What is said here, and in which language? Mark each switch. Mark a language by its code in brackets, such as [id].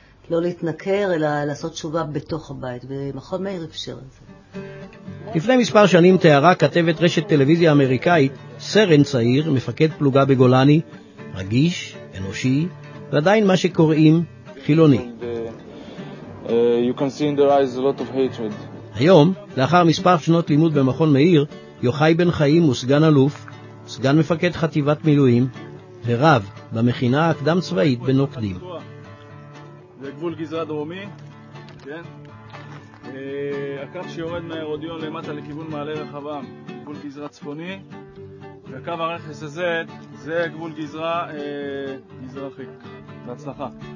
[he] לא להתנקר, אלא לעשות תשובה בתוך הבית, ומכון מאיר אפשר את זה. לפני מספר שנים תיארה כתבת רשת טלוויזיה אמריקאית, סרן צעיר, מפקד פלוגה בגולני, רגיש, אנושי, ועדיין מה שקוראים חילוני. [en] you can see in their eyes a lot of hatred. [he] היום, לאחר מספר שנות לימוד במכון מאיר, יוחאי בן חיים הוא סגן אלוף, סגן מפקד חטיבת מילואים, ורב במכינה הקדם צבאית בנוקדים. זה גבול גזרה דרומי, כן? הקו שיורד מהאירודיון למטה לכיוון מעלה רחבם, גבול גזרה צפוני, וקו הרכס הזה, זה גבול גזרה מזרחי. בהצלחה.